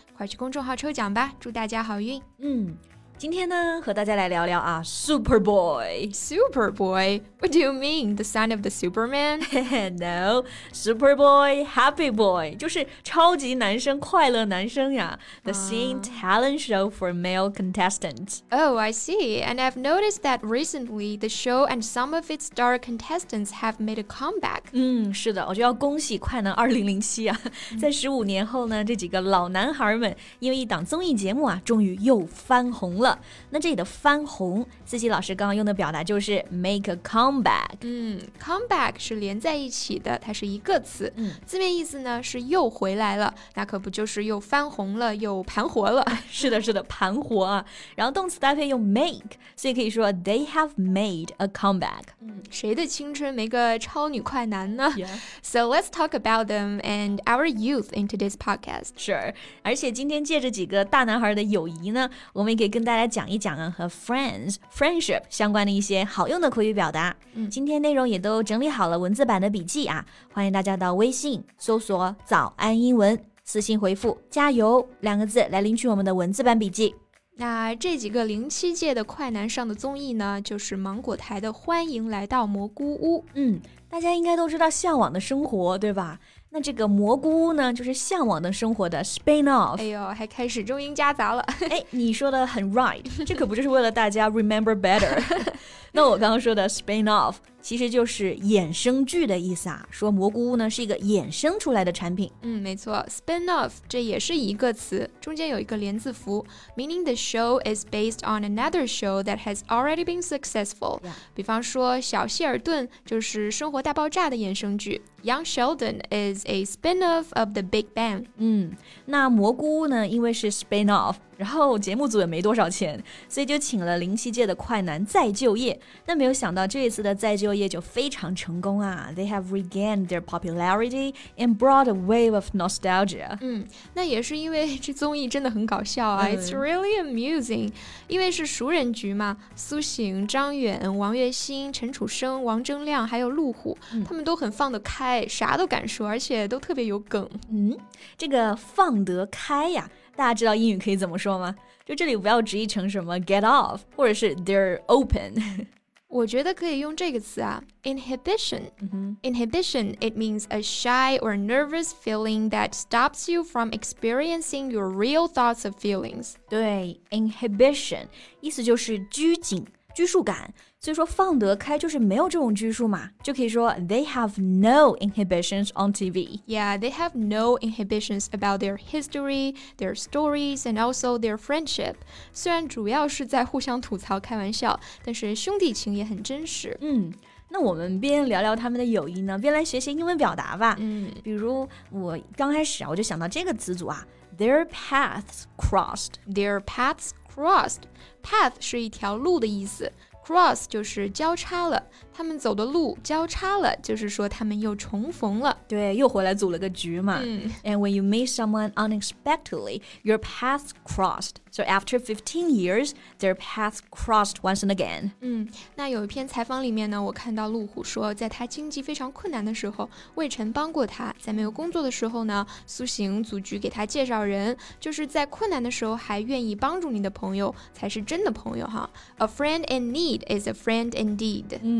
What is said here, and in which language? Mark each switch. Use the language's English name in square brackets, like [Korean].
[Chinese] 快去公众号抽奖吧，祝大家好运。今天呢，和大家来聊聊啊 ，Superboy。 [English] Superboy? What do you mean? The son of the Superman? [Chinese] No, Superboy, Happy Boy, 就是超级男生、快乐男生呀。 [English] The same talent show for male contestants. Oh, I see. And I've noticed that recently, the show and some of its star contestants have made a comeback. [Chinese] 是的，我就要恭喜快男2007啊，在15年后呢，这几个老男孩们因为一档综艺节目啊，终于又翻红。那这里的翻红，思琪老师刚刚用的表达就是 make a comeback。 Comeback 是连在一起的，它是一个词。字面意思呢是又回来了，那可不就是又翻红了，又盘活了。是的，是的，盘活啊。然后动词搭配用 make， 所以可以说 [English] they have made a comeback。 [Chinese] 谁的青春没个超女快男呢？ [English] Yeah. So let's talk about them and our youth in today's podcast. Sure. [Chinese] 而且今天借着几个大男孩的友谊呢，我们也可以跟大家讲一讲啊，和 friends、friendship 相关的一些好用的口语表达。今天内容也都整理好了文字版的笔记啊，欢迎大家到微信搜索“早安英文”，私信回复“加油”两个字来领取我们的文字版笔记。那这几个07届的快男上的综艺呢，就是芒果台的《欢迎来到蘑菇屋》。大家应该都知道《向往的生活》，对吧？那这个蘑菇屋呢，就是《向往的生活》的 spin-off。哎呦，还开始中英夹杂了。哎，你说的很 right， 这可不就是为了大家 [English] remember better？ [Chinese] 那我刚刚说的 spin-off 其实就是衍生剧的意思啊，说蘑菇屋呢是一个衍生出来的产品。没错 [English] ，spin-off [Chinese] 这也是一个词，中间有一个连字符 [English] ，meaning the show is based on another show that has already been successful。 [Chinese] 比方说《小谢尔顿》就是《生活大爆炸》的衍生剧 [English] ，Young Sheldon is a spin-off of The Big Bang。 [Chinese] 那蘑菇屋呢，因为是 spin-off。然后节目组也没多少钱，所以就请了07届的快男再就业。那没有想到这一次的再就业就非常成功啊。 [English] They have regained their popularity and brought a wave of nostalgia. [Chinese] 那也是因为这综艺真的很搞笑啊。 [English] It's really amusing. [Chinese] 因为是熟人局嘛，苏醒、张远、王月新、陈楚生、王铮亮还有陆虎，他们都很放得开，啥都敢说，而且都特别有梗。这个放得开呀，大家知道英语可以怎么说吗？就这里不要直译成什么 get off， 或者是 [English] they're open。 [Chinese] 我觉得可以用这个词啊 ，inhibition。 [English] Inhibition it means a shy or nervous feeling that stops you from experiencing your real thoughts or feelings。 [Chinese] 对 ，inhibition 意思就是拘谨、拘束感。所以说放得开就是没有这种拘束嘛，就可以说 [English] they have no inhibitions on TV. Yeah, they have no inhibitions about their history, their stories, and also their friendship. [Chinese] 虽然主要是在互相吐槽开玩笑，但是兄弟情也很真实。那我们边聊聊他们的友谊呢，边来学习英文表达吧。比如我刚开始啊，我就想到这个词组啊 ， [English] their paths crossed. Their paths crossed. [Chinese] Path 是一条路的意思。Cross 就是交叉了，他们走的路交叉了，就是说他们又重逢了。对，又回来组了个局嘛。 [English] And when you meet someone unexpectedly, your paths crossed. So after 15 years, their paths crossed once and again. [Chinese] 那有一篇采访里面呢，我看到陆虎说，在他经济非常困难的时候，魏晨帮过他。在没有工作的时候呢，苏醒组局给他介绍人，就是在困难的时候还愿意帮助你的朋友，才是真的朋友哈。 [English] A friend in need. Is a friend indeed.